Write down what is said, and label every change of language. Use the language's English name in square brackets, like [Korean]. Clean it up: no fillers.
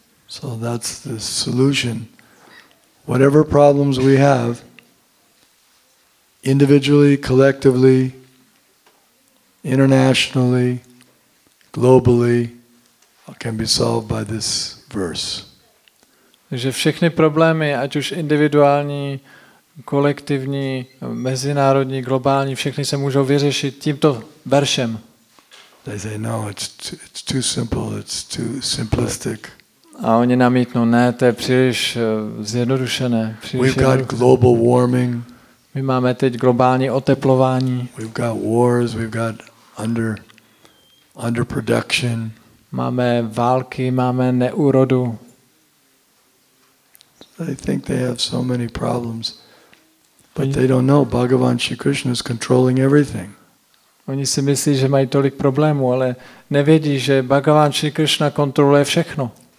[English] So that's the solution. Whatever problems we have, individually, collectively, internationally, globally, can be solved by this verse. [Czech] Takže všechny problémy, ať už individuální, kolektivní, mezinárodní, globální, všechny se můžou vyřešit tímto veršem. [English] They say, no, it's too simple, it's too simplistic. [Czech] A oni namítnou, ne, to je příliš zjednodušené. Příliš [English] we've got global warming. [Czech] My máme teď globální oteplování. [English] We've got wars, we've got under production. [Czech] Máme války, máme neúrodu. [English] I think they have so many problems, but they don't know Bhagavan Shri Krishna is controlling everything. [Czech] Oni si myslí, že mají tolik problémů, ale nevědí, že Bhagavan Shri Krishna kontroluje všechno.